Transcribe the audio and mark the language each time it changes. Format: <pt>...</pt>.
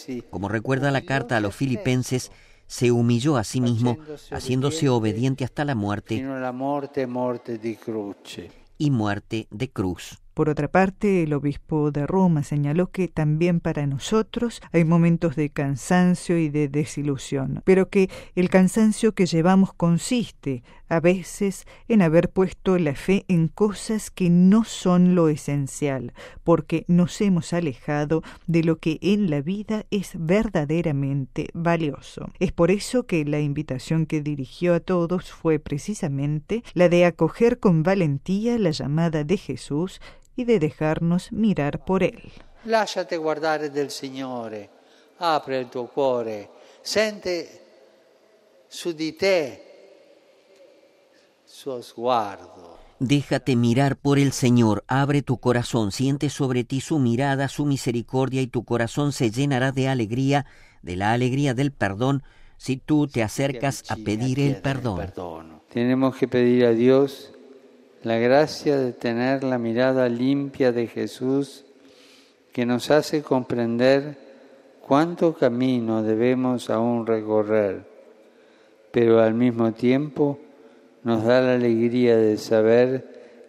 <es>Como recuerda la carta a los Filipenses, se humilló a sí mismo, haciéndose obediente hasta la muerte.</es> <it>Fino alla morte, morte di croce.</it> <es>Y muerte de cruz. Por otra parte, el obispo de Roma señaló que también para nosotros hay momentos de cansancio y de desilusión, pero que el cansancio que llevamos consiste a veces en haber puesto la fe en cosas que no son lo esencial, porque nos hemos alejado de lo que en la vida es verdaderamente valioso. Es por eso que la invitación que dirigió a todos fue precisamente la de acoger con valentía la llamada de Jesús y de dejarnos mirar por Él.</es> <it>Lasciate guardare del Signore, apre il tuo cuore, sente su di te su sguardo.</it> <es>Déjate mirar por el Señor, abre tu corazón, siente sobre ti su mirada, su misericordia, y tu corazón se llenará de alegría, de la alegría del perdón, si tú te acercas a pedir el perdón. Tenemos que pedir a Dios la gracia de tener la mirada limpia de Jesús, que nos hace comprender cuánto camino debemos aún recorrer, pero al mismo tiempo nos da la alegría de saber</es>